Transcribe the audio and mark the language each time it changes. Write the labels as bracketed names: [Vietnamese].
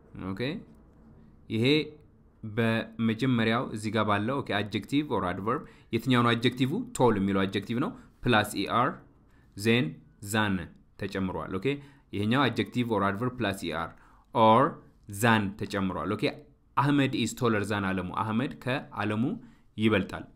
[Amharic] ኦኬ, ይሄ በመጀመሪያው እዚህ ጋር ባለው ኦኬ [English] adjective or adverb [Amharic] የትኛው ነው adjective? tall የሚለው adjective ነው [English] plus er then than [Amharic] ተጨምሯል. ኦኬ, ይሄኛው [English] adjective or adverb plus er or than [Amharic] ተጨምሯል. [English] ኦኬ, Ahmed is taller than Alamu. [Amharic] Ahmed ከአለሙ ይበልጣል.